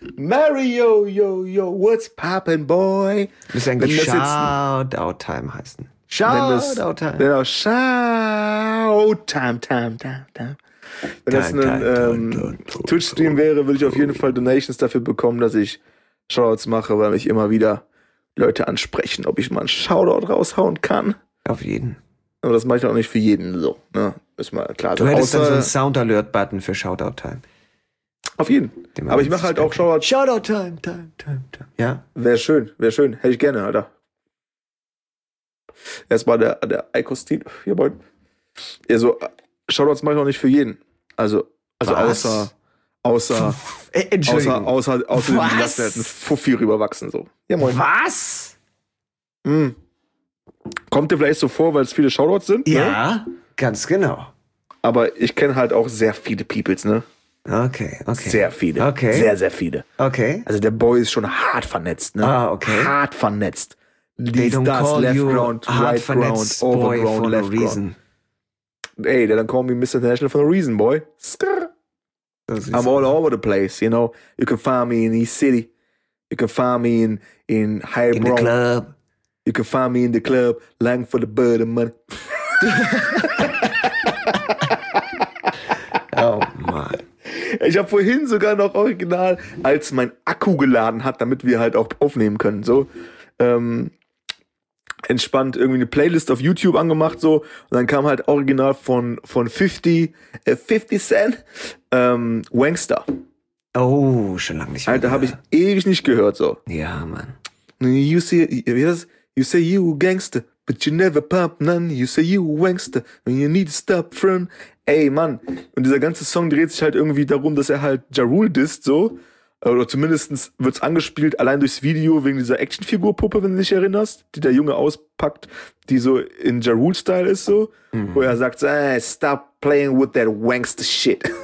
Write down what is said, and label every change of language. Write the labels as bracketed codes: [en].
[en] Mario, yo, what's poppin', boy? [de] Das ist eigentlich Shoutout time heißen. Shoutout time. Genau, Shoutout time. Wenn das ein Twitch-Stream wäre, würde ich auf jeden Fall Donations dafür bekommen, dass ich Shoutouts mache, weil mich immer wieder Leute ansprechen, ob ich mal einen Shoutout raushauen kann. Auf jeden. Aber das mache ich auch nicht für jeden so. Ne? Ist mal klar. Du hättest dann so einen Sound-Alert-Button für Shoutout-Time. Auf jeden. Aber ich mache halt auch Shoutout. Shoutout-Time. Ja. Wäre schön. Hätte ich gerne, Alter. Erstmal der Eikostin. Ja, moin. Ja, so Shoutouts mache ich auch nicht für jeden. Also außer. Entschuldigung. Außer den Lasswerten Fuffi rüberwachsen. So. Ja, moin. Was? Hm. Kommt dir vielleicht so vor, weil es viele Shoutouts sind? Ja, ne? Ganz genau. Aber ich kenne halt auch sehr viele Peoples, ne? Okay. Sehr viele. Okay. Sehr, sehr viele. Okay. Also der Boy ist schon hart vernetzt, ne? Ah, okay. Hart vernetzt. [en] They don't call you left ground, right ground, overgrown, left ground. Ey, they don't call me Mr. International for no reason, boy. I'm all over the place, you know. You can find me in East City. You can find me in Heilbronn. In the club. You can find me in the club, lying for the bird of money. [de] Oh Mann. Ich habe vorhin sogar noch original, als mein Akku geladen hat, damit wir halt auch aufnehmen können, so entspannt irgendwie eine Playlist auf YouTube angemacht, so, und dann kam halt original von 50 Cent, Wangster. Oh, schon lange nicht mehr. Alter, habe ich ewig nicht gehört, so. Ja, Mann. [en] You see, wie das? You say you a gangster, but you never pop none. You say you a wangster, when you need to stop, friend. [de] Ey, Mann. Und dieser ganze Song dreht sich halt irgendwie darum, dass er halt Ja Rule disst, so. Oder zumindest wird's angespielt, allein durchs Video, wegen dieser Actionfigur-Puppe, wenn du dich erinnerst, die der Junge auspackt, die so in Ja Rule-Style ist, so. Mhm. Wo er sagt, hey, stop playing with that wangster shit.